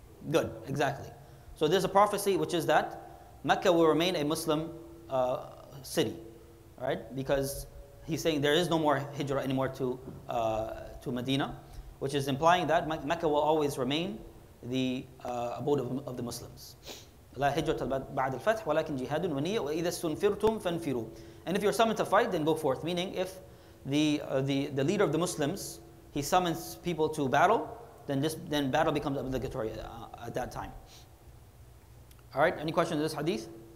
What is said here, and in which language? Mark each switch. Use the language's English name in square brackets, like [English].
[English] Good, exactly. So there's a prophecy, which is that Mecca will remain a Muslim city. Right? Because he's saying there is no more hijrah anymore to Medina, which is implying that Mecca will always remain the abode of the Muslims. [Arabic] لا هجرة بعد الفتح ولكن جهاد ونية وإذا استنفرتم فانفروا. [English] And if you're summoned to fight, then go forth. Meaning, if the leader of the Muslims, he summons people to battle, then battle becomes obligatory at that time. All right, any questions on this hadith?